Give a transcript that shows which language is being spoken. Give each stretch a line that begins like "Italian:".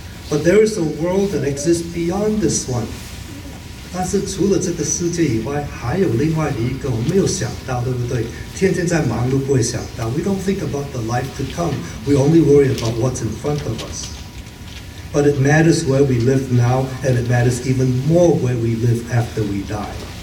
English: But there is a world that exists beyond this one.
Chinese: 但是除了这个世界以外，还有另外一个，我们没有想到，对不对？天天在忙碌，不会想到。
English: We don't think about the life to come. We only worry about what's in front of us. But it matters where we live now, and it matters even more where we live after we die.